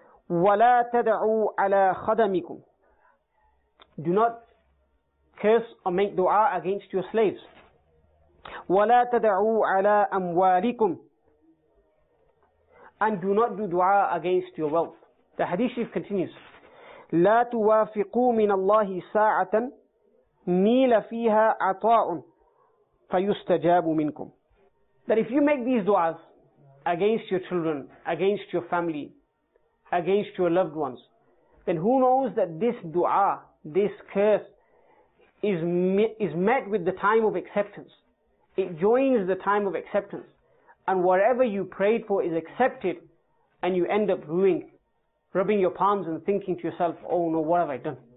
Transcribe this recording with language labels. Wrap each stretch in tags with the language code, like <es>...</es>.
<ar>وَلَا تَدَعُوا عَلَىٰ خَدَمِكُمْ.</ar> <en>Do not curse or make dua against your slaves.</en> <ar>وَلَا تَدَعُوا عَلَىٰ أَمْوَالِكُمْ.</ar> <en>And do not do dua against your wealth. The hadith continues,</en> <ar>لَا تُوَافِقُوا مِنَ اللَّهِ سَاعَةً نِيلَ فِيهَا عَطَاءٌ فَيُسْتَجَابُ مِنْكُمْ.</ar> <en>That if you make these du'as against your children, against your family, against your loved ones, then who knows that this du'a, this curse, is met with the time of acceptance. It joins the time of acceptance. And whatever you prayed for is accepted, and you end up rubbing your palms and thinking to yourself, oh no, what have I done?</en>